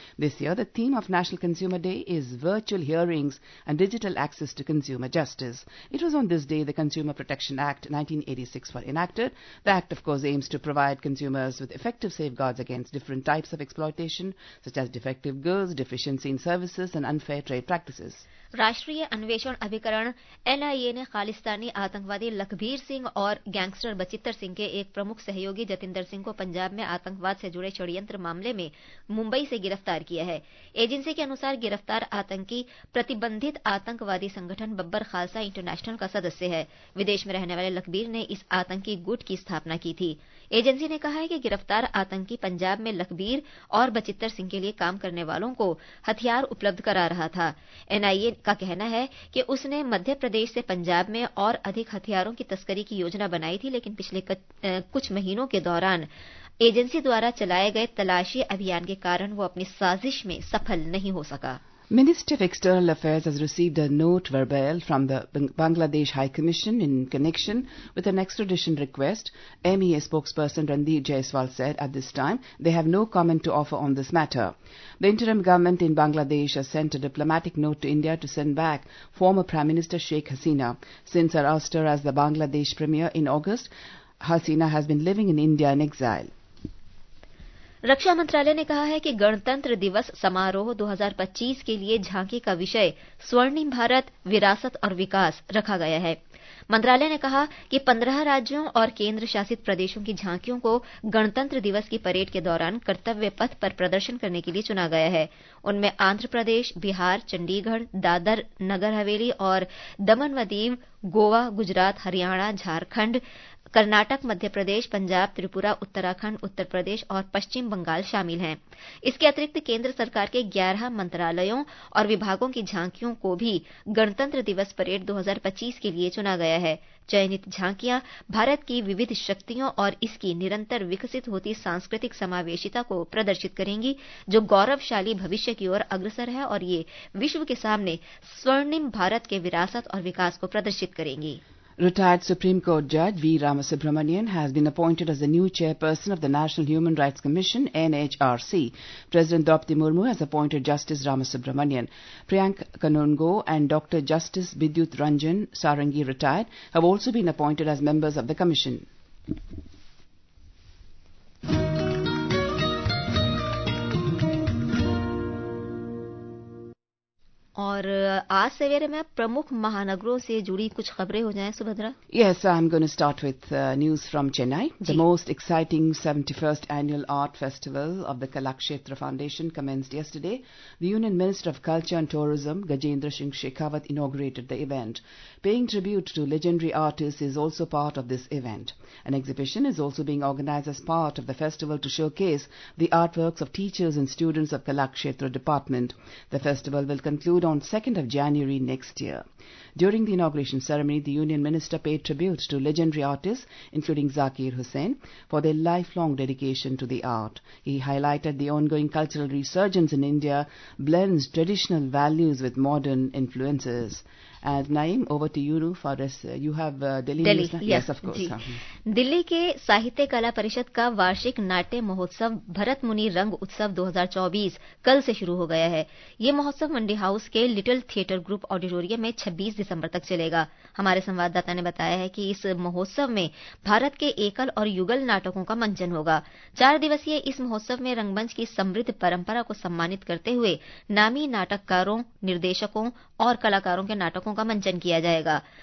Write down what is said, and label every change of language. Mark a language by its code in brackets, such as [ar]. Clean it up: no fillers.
[en] This year, the theme of National Consumer Day is virtual hearings and digital access to consumer justice. It was on this day the Consumer Protection Act 1986 was enacted. The act, of course, aims to provide consumers with effective safeguards against different types of exploitation, such as defective goods, deficiency in services, and unfair trade practices. [hi] राष्ट्रीय अन्वेषण अभिकरण NIA ने खालिस्तानी आतंकवादी लखबीर सिंह और gangster Bachittar Singh के एक प्रमुख सहयोगी जतिंदर सिंह को पंजाब में आतंकवाद से जुड़े षड्यंत्र मामले में मुंबई से गिरफ्तार किया है। एजेंसी के अनुसार गिरफ्तार आतंकी प्रतिबंधित आतंकवादी संगठन बब्बर खालसा इंटरनेशनल का सदस्य है। विदेश में रहने वाले लखबीर ने इस आतंकी गुट की स्थापना की थी। एजेंसी ने कहा है कि गिरफ्तार आतंकी पंजाब में लखबीर और बचित्तर सिंह के लिए काम करने वालों को हथियार उपलब्ध करा रहा था। NIA का कहना है कि उसने मध्य प्रदेश से पंजाब में और अधिक हथियारों की तस्करी की योजना बनाई थी, लेकिन पिछले कुछ महीनों के दौरान एजेंसी द्वारा चलाए गए तलाशी अभियान के कारण वो अपनी साजिश में सफल नहीं हो सका। [en] Ministry of External Affairs has received a note verbal from the Bangladesh High Commission in connection with an extradition request. MEA spokesperson Randeep Jaiswal said at this time they have no comment to offer on this matter. The interim government in Bangladesh has sent a diplomatic note to India to send back former Prime Minister Sheikh Hasina. Since her ouster as the Bangladesh Premier in August, Hasina has been living in India in exile. [hi] रक्षा मंत्रालय ने कहा है कि गणतंत्र दिवस समारोह 2025 के लिए झांकी का विषय स्वर्णिम भारत विरासत और विकास रखा गया है। मंत्रालय ने कहा कि 15 राज्यों और केंद्र शासित प्रदेशों की झांकियों को गणतंत्र दिवस की परेड के दौरान कर्तव्य पथ पर प्रदर्शन करने के लिए चुना गया है। उनमें आंध्र प्रदेश, बिहार, चंडीगढ़, दादर नगर हवेली और दमन व दीव, गोवा, गुजरात, हरियाणा, झारखंड, कर्नाटक, मध्य प्रदेश, पंजाब, त्रिपुरा, उत्तराखंड, उत्तर प्रदेश और पश्चिम बंगाल शामिल हैं। इसके अतिरिक्त केंद्र सरकार के 11 मंत्रालयों और विभागों की झांकियों को भी गणतंत्र दिवस परेड 2025 के लिए चुना गया है। चयनित झांकियां भारत की विविध शक्तियों और इसकी निरंतर विकसित होती सांस्कृतिक समावेशिता को प्रदर्शित करेंगी, जो गौरवशाली भविष्य की ओर अग्रसर है, और ये विश्व के सामने स्वर्णिम भारत के विरासत और विकास को प्रदर्शित करेंगी। Retired Supreme Court Judge V. Ramasubramanian has been appointed as the new chairperson of the National Human Rights Commission, NHRC. President Draupadi Murmu has appointed Justice Ramasubramanian. Priyank Kanungo and Dr. Justice Vidyut Ranjan Sarangi, retired, have also been appointed as members of the commission. और आज सवेरे में प्रमुख महानगरों से जुड़ी कुछ खबरें हो जाएं Subhadra. [en] Yes, I am going to start with news from Chennai. The most exciting 71st annual art festival of the Kalakshetra foundation commenced yesterday. The union minister of culture and tourism Gajendra Singh Shekhawat inaugurated the event. Paying tribute to legendary artist is also part of this event. An exhibition is also being organise as part of the festival to showcase the art works of teachers and students of Kalakshetra department. The festival will conclude on 2nd of January next year. During the inauguration ceremony, the Union Minister paid tribute to legendary artists, including Zakir Hussain, for their lifelong dedication to the art. He highlighted the ongoing cultural resurgence in India, blends traditional values with modern influences. And Naeem, over to you for this. You have Delhi. Delhi, news, yes, of course. [hi] Delhi ke Sahitya Kala Parishad ka Varshik Natya Mahotsav Bharat Muni Rang Utsav 2024 kal se shuru ho gaya hai. Ye Mahotsav Mandi House ke Little Theatre Group Auditorium mein 26 दिसंबर तक चलेगा। हमारे संवाददाता ने बताया है कि इस महोत्सव में भारत के एकल और युगल नाटकों का मंचन होगा। चार दिवसीय इस महोत्सव में रंगमंच की समृद्ध परंपरा को सम्मानित करते हुए नामी नाटककारों, निर्देशकों और कलाकारों के नाटकों का मंचन किया जाएगा।